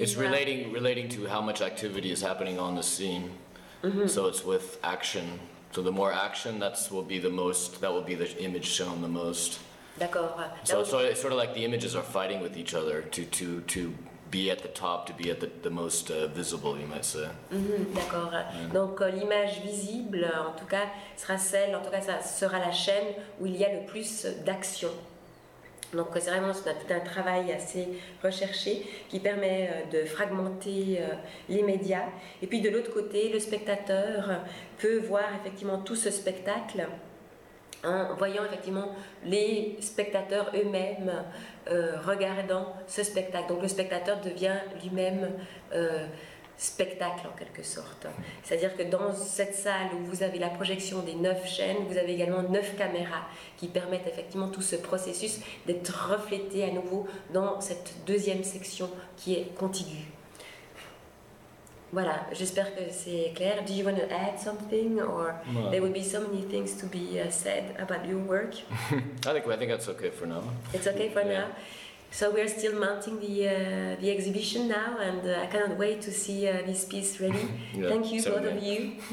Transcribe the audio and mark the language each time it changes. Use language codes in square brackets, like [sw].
[en] It's relating to how much activity is happening on the scene. Mm-hmm. So it's with action. So the more action, that will be the image shown the most. [fr] D'accord. [en] So it's sort of like the images are fighting with each other to be at the top, to be at the most visible, you might say. [fr] Mm-hmm. D'accord. Yeah. Donc l'image visible, en tout cas, sera celle, en tout cas, ça sera la chaîne où il y a le plus d'action. Donc c'est vraiment tout un travail assez recherché qui permet de fragmenter les médias. Et puis de l'autre côté, le spectateur peut voir effectivement tout ce spectacle en voyant effectivement les spectateurs eux-mêmes regardant ce spectacle. Donc le spectateur devient lui-même spectacle en quelque sorte. C'est-à-dire que dans cette salle où vous avez la projection des 9 chaînes, vous avez également 9 caméras qui permettent effectivement tout ce processus d'être reflété à nouveau dans cette deuxième section qui est contiguë. Voilà, j'espère que c'est clair. [en] Do you want to add something or no. There would be so many things to be said about your work? I think that's okay for now. It's okay for now. So we are still mounting the exhibition now, and I cannot wait to see this piece ready. Yeah, thank you, both of you.